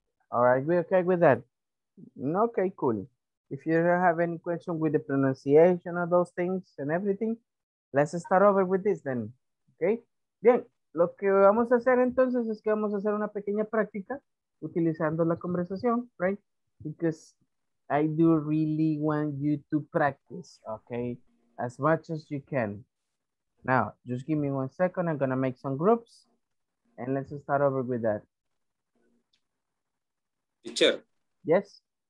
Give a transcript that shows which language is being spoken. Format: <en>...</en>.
<en>All right, we okay with that? Okay, cool. If you don't have any question with the pronunciation of those things and everything, let's start over with this then, okay?</en> <es>Bien, lo que vamos a hacer entonces es que vamos a hacer una pequeña práctica utilizando la conversación,</es> <en>right? Because I do really want you to practice, okay? As much as you can. Now, just give me one second. I'm gonna make some groups and let's start over with that. Teacher. Yes.</en>